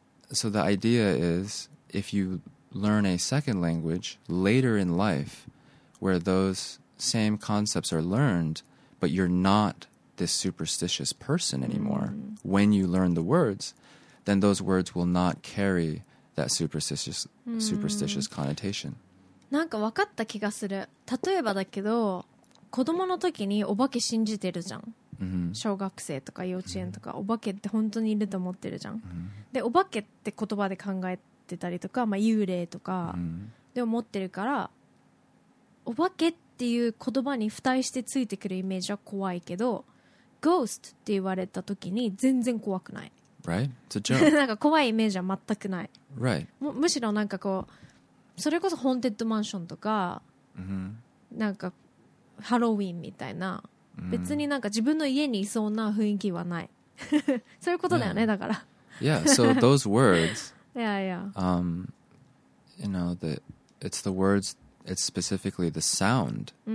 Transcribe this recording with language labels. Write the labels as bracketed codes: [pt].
[en] So the idea is, if you learn a second language later in life where those same concepts are learned, but you're not this superstitious person anymore, mm. when you learn the words, then those words will not carry that superstitious connotation. [ja] なんか分かった気がする。例えばだけど、子供の時にお化け信じてるじゃん。小学生とか幼稚園とかお化けって本当にいると思ってるじゃん。でお化けって言葉で考えてたりとか、まあ、幽霊とかで思ってるから、お化けっていう言葉に付帯してついてくるイメージは怖いけど、 ghost って言われた時に全然怖くない。 [en] Right? It's a joke. [ja] なんか怖いイメージは全くない。 [en] Right. [ja] むしろなんかこう、それこそホーンテッドマンションとか、なんかハロウィンみたいな、別になんか自分の家にいそうな雰囲気はない。そういうことだよね、だから。 [en] Yeah, so those words. Yeah, yeah. You know, it's the words, it's specifically the sound.